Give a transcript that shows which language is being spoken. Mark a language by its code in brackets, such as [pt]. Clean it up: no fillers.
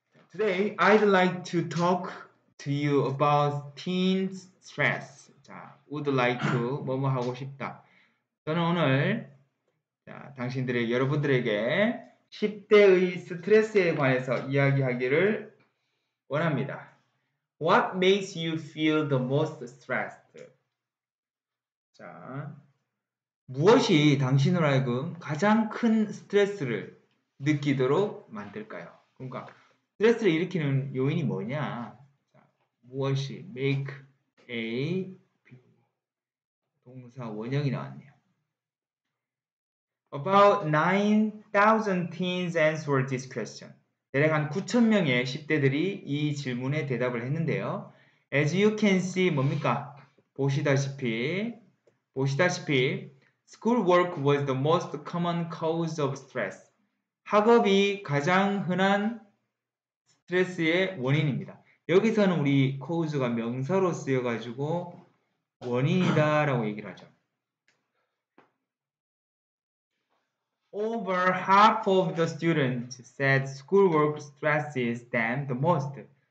[en] Today, I'd like to talk to you about teen stress. [ko] 자, would like to 뭐뭐 하고 싶다. 저는 오늘 여러분들에게 10대의 스트레스에 관해서 이야기하기를 원합니다. [en] What makes you feel the most stressed? [ko] 자, 무엇이 당신으로 하여금 가장 큰 스트레스를 느끼도록 만들까요? 그러니까 스트레스를 일으키는 요인이 뭐냐? 자, 무엇이 make a 동사 원형이 나왔네요. [en] About 9,000 teens answered this question. [ko] 대략 한 9,000명의 10대들이 이 질문에 대답을 했는데요. [en] As you can see, [ko] 뭡니까? 보시다시피, [en] schoolwork was the most common cause of stress. [ko] 학업이 가장 흔한 스트레스의 원인입니다. 여기서는 우리 cause가 명사로 쓰여가지고 원인이다라고 얘기를 하죠. [en] Over half of the students said schoolwork stresses them the most.